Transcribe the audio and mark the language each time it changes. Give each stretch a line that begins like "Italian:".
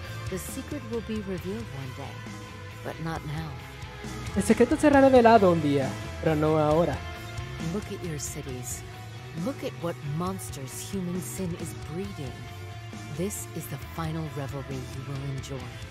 English: The secret will be revealed one day, but not now.
Spanish: El secreto será revelado un día, pero no ahora.
English: Look at your cities. Look at what monsters human sin is breeding. This is the final revelry you will enjoy.